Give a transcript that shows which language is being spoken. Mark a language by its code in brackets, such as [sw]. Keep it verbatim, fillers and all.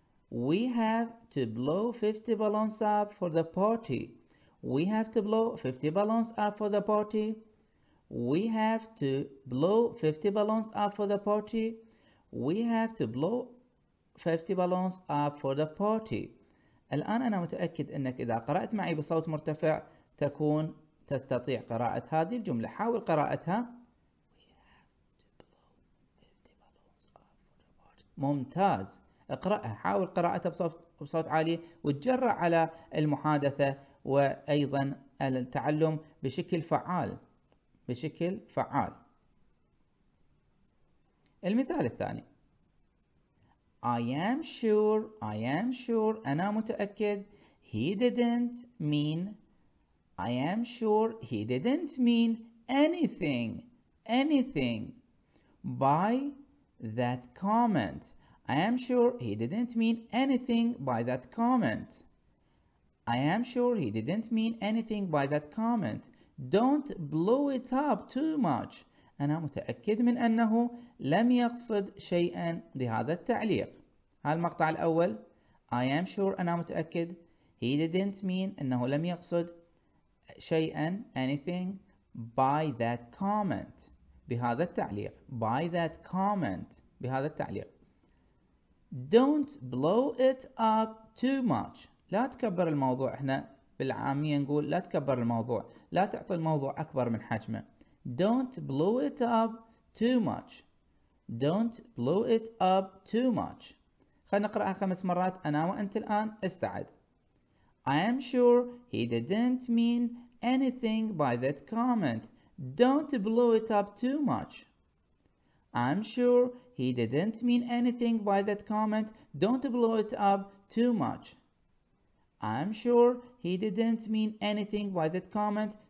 [en] we have to blow fifty balloons up for the party. we have to blow fifty balloons up for the party. we have to blow fifty balloons up for the party. we have to blow fifty balloons up for the party. [ar] الآن أنا متأكد أنك إذا قرأت معي بصوت مرتفع تكون تستطيع قراءة هذه الجملة. حاول قراءتها. ممتاز، اقرأها، حاول قراءتها بصوت بصوت عالي وتجرأ على المحادثة وأيضا التعلم بشكل فعال بشكل فعال. المثال الثاني [en] I am sure I am sure [ar] أنا متأكد [en] he didn't mean I am sure he didn't mean anything anything by that comment. I am sure he didn't mean anything by that comment. I am sure he didn't mean anything by that comment. Don't blow it up too much. [ar] أنا متأكد من أنه لم يقصد شيئا بهذا التعليق. هالمقطع الأول [en] I am sure [ar] أنا متأكد [en] he didn't mean [ar] أنه لم يقصد شيئا [en] anything by that comment [ar] بهذا التعليق [en] by that comment بهذا التعليق. Don't blow it up too much [ar] لا تكبر الموضوع. احنا بالعامية نقول لا تكبر الموضوع، لا تعطي الموضوع أكبر من حجمه. [en] Don't blow it up too much. Don't blow it up too much. [ar] خلينا نقرأها خمس مرات أنا وأنت الآن، استعد. [en] I am sure he didn't mean anything by that comment. Don't blow it up too much. I'm sure he didn't mean anything by that comment. Don't blow it up too much. I'm sure he didn't mean anything by that comment.